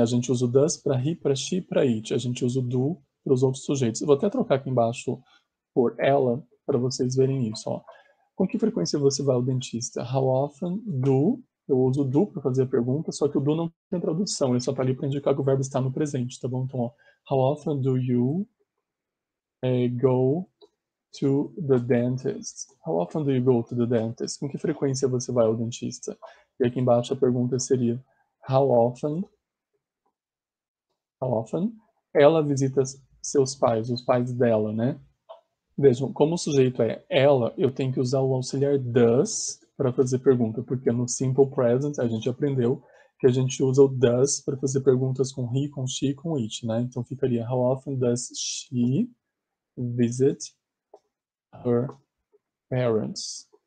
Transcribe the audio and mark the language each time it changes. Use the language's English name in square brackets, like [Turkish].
[Portuguese] A gente usa o does para he, para she, para it. A gente usa o do para os outros sujeitos. Eu vou até trocar aqui embaixo por ela para vocês verem isso, ó. Com que frequência você vai ao dentista? [English] How often do? [Portuguese] Eu uso do para fazer a pergunta, só que o do não tem tradução. Ele só está ali para indicar que o verbo está no presente, tá bom? Então, ó, [English] how often do you go to the dentist? How often do you go to the dentist? [Portuguese] Com que frequência você vai ao dentista? E aqui embaixo a pergunta seria [English] how often [Portuguese] ela visita seus pais, os pais dela, né? Vejam, como o sujeito é ela, eu tenho que usar o auxiliar does para fazer pergunta, porque no simple present a gente aprendeu que a gente usa o does para fazer perguntas com he, com she, com it, né? Então ficaria [English] how often does she visit her parents?